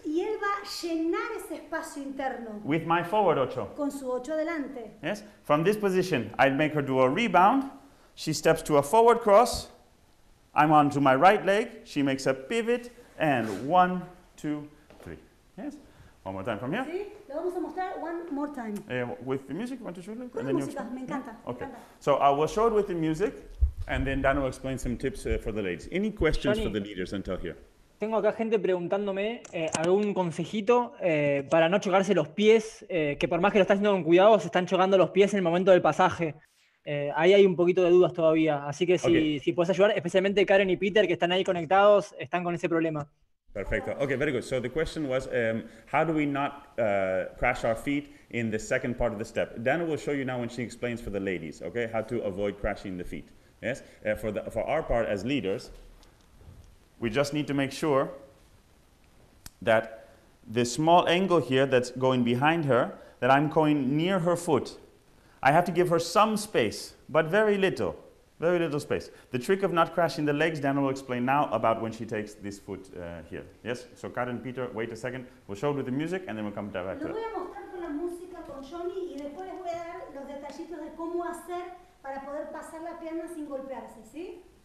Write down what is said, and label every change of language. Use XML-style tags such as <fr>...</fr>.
<es>Y él va a llenar ese espacio interno.</es> <en>With my forward ocho.</en> <es>Con su ocho adelante.</es> <en>Yes. From this position, I'd make her do a rebound. She steps to a forward cross. I'm onto my right leg. She makes a pivot. And 1, 2, 3. Yes. One more time from here.</en> <es>Sí, lo vamos a mostrar</es> <en>one more time. With the music, want to show it?</en> <es>Con la música, me encanta.</es> <en>Okay, so I will show it with the music, and then Dan will explain some tips for the ladies. Any questions, Tony, for the leaders until here?</en> <es>Tengo acá gente preguntándome algún consejito para no chocarse los pies, que por más que lo estás haciendo con cuidado, se están chocando los pies en el momento del pasaje. Ahí hay un poquito de dudas todavía, así que si puedes ayudar, especialmente Karen y Peter, que están ahí conectados, están con ese problema. Perfecto.</es> <en>Okay, very good. So the question was, how do we not crash our feet in the second part of the step? Dana will show you now when she explains for the ladies, okay, how to avoid crashing the feet. Yes? For our part as leaders, we just need to make sure that the small angle here that's going behind her, that I'm going near her foot, I have to give her some space, but very little. Very little space. The trick of not crashing the legs, Dana will explain now about when she takes this foot here. Yes? So Karen, Peter, wait a second. We'll show it with the music and then we'll come back to that.</en> <es>Lo voy a mostrar con la música con Johnny y después les voy a dar los detallitos de cómo hacer para poder pasar la pierna sin golpearse, ¿sí?</es>